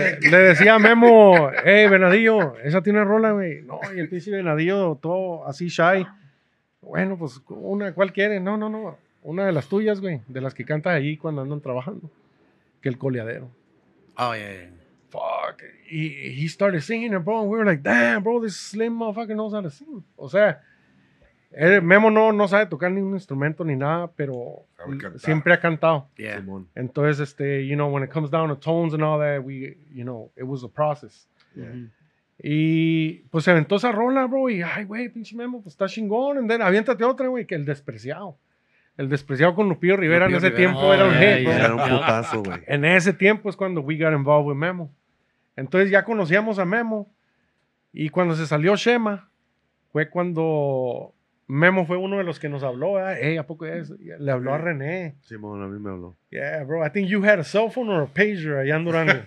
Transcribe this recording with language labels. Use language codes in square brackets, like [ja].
[es] Le decía a Memo, hey, venadillo, esa tiene una rola, güey. No, y el pinche venadillo, todo así shy. Bueno, pues una, ¿cuál quiere? No. Una de las tuyas, güey. De las que cantas allí cuando andan trabajando. Que el coleadero. [en] Oh, yeah. Fuck. He started singing it, bro, and we were like, damn, bro, this slim motherfucker knows how to sing. [es] O sea, Memo no sabe tocar ningún instrumento ni nada, pero siempre ha cantado. [en] Yeah. Entonces, you know, when it comes down to tones and all that, we, you know, it was a process. Yeah. Mm-hmm. [es] Y pues se aventó esa rola, bro, y ay, güey, pinche Memo, pues está chingón. [en] And then, [es] aviéntate otra, güey, que El despreciado con Lupillo Rivera en ese tiempo era un hit. Era un putazo, güey. En ese tiempo es cuando [en] we got involved with [es] Memo. Entonces ya conocíamos a Memo. Y cuando se salió Chema, fue cuando Memo fue uno de los que nos habló. Hey, ¿a poco es? Le habló a René. Simón, a mí me habló. [en] Yeah, bro. I think you had a cell phone or a pager [es] allá en Durango.